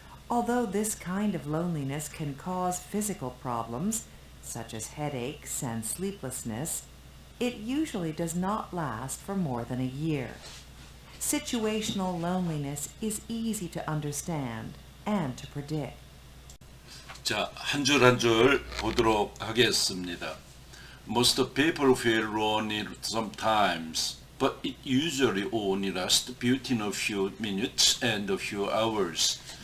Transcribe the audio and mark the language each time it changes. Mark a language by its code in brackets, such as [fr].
[en] Although this kind of loneliness can cause physical problems, such as headaches and sleeplessness, it usually does not last for more than a year. Situational loneliness is easy to understand and to predict. [ko] 자, 한줄한줄 보도록 하겠습니다. [en] Most people feel lonely sometimes, but it usually only lasts between a few minutes and a few hours.